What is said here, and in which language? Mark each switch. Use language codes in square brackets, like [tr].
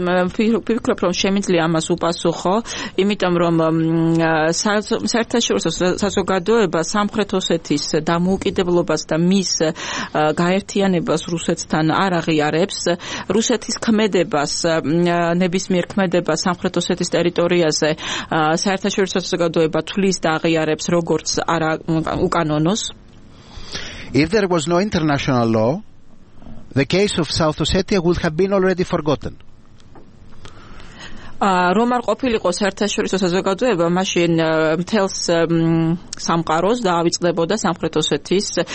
[ka] Ფიქრობ, რომ შემიძლია ამას უპასუხო, იმიტომ რომ საერთაშორისო საზოგადოება სამხრეთ ოსეთის დამოუკიდებლობას და მის გაერთიანებას რუსეთთან არ აღიარებს. რუსეთის ქმედებას, ნებისმიერ ქმედებას სამხრეთ ოსეთის ტერიტორიაზე საერთაშორისო საზოგადოება თვლის და აღიარებს როგორც არა უკანონოს. [en] If there was no international law, the case of South Ossetia would have been already forgotten. [ka] Რომ არ ყოფილიყო საერთაშორისო საზოგადოება, მაშინ მთელს სამყაროს დაავიწყდებოდა სამხრეთ ოსეთის.